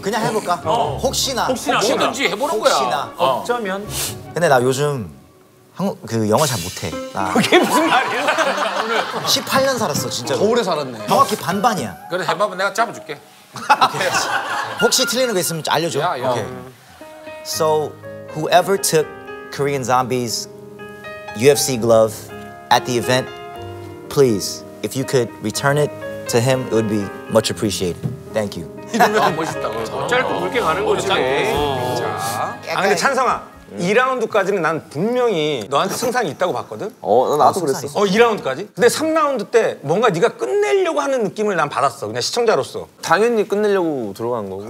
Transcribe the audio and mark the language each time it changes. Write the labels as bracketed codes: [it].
[ko] 그냥 해볼까? 혹시나. 뭐든지 해보는 혹시나. 거야. 어쩌면. 근데 나 요즘 한국 그 영어 잘 못해. 나 그게 무슨 말이야? 오늘 18년 살았어 진짜. 더 오래 살았네. 정확히 반반이야. 그래 해봐봐 내가 잡아줄게. 혹시 틀리는 거 있으면 알려줘. 야, 야. 오케이. [en] So whoever took Korean Zombie's UFC glove at the event. Please, if you could return it to him, it would be much appreciated. Thank you. [ko] 짧고 굵게 가는 거지. 아 근데 찬성아, 2라운드까지는 난 분명히 너한테 승산이 있다고 봤거든? 난 나도 그랬어. 2라운드까지? 근데 3라운드 때 뭔가 네가 끝내려고 하는 느낌을 난 받았어, 그냥 시청자로서. 당연히 끝내려고 들어간 거고.